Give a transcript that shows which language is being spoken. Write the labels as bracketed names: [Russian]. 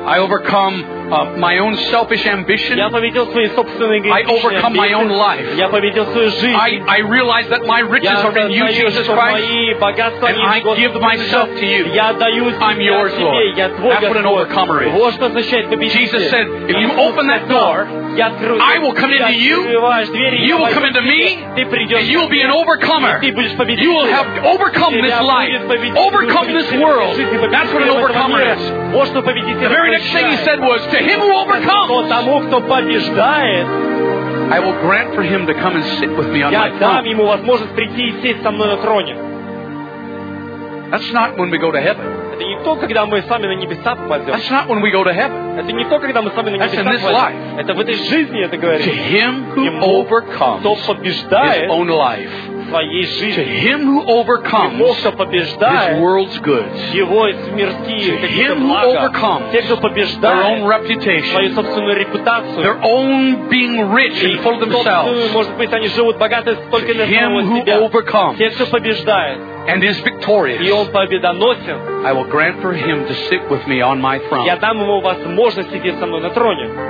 [English] I overcome my own selfish ambition. [Russian] Я победил свои собственные грехи. [English] I overcome my own life. [Russian] Я победил свою жизнь. [English] I realize that my riches [Russian] я [English] are in you, Jesus Christ. And I give myself to you. [Russian] Я даю себя [English] I'm yours, [Russian] тебе. [English] Lord. [Russian] Я твой [English] That's [Russian] Господь. [English] What an overcomer is. [Russian] Вот что означает победитель. [English] Jesus said, if you open that door, I will come into you. You will come into me. And you will be an overcomer. You will have overcome this life. Overcome this world. That's what an overcomer is. [Russian] Вот что победитель. [English] The very next thing he said was, to him who overcomes, [Russian] тому, кто побеждает, [English] I will grant for him to come and sit with me on my throne. [Russian] Я дам ему возможность прийти и сесть со мной на троне. [English] That's not when we go to heaven. [Russian] Это не то, когда мы с вами на небеса попадем. [English] That's not when we go to heaven. [Russian] Это не то, когда мы с вами на небеса попадем. [English] That's in this life. [Russian] Это в этой жизни это говорит. [English] To him who overcomes, [Russian] кто побеждает, [English] his own life. [Russian] Своей жизни. [English] To him who overcomes, [Russian] тому, кто побеждает, [English] his world's goods. [Russian] Его мирские, [English] to him who overcomes, [Russian] те, кто побеждает, [English] their own reputation, [Russian] свою собственную репутацию, [English] their own being rich and full of themselves. [Russian] Может быть, они живут богаты только для самого себя. [English] To him who overcomes, [Russian] те, кто побеждает, [English] and is victorious, [Russian] и он победоносен, [English] I will grant for him to sit with me on my throne. [Russian] Я дам ему возможность сидеть со мной на троне.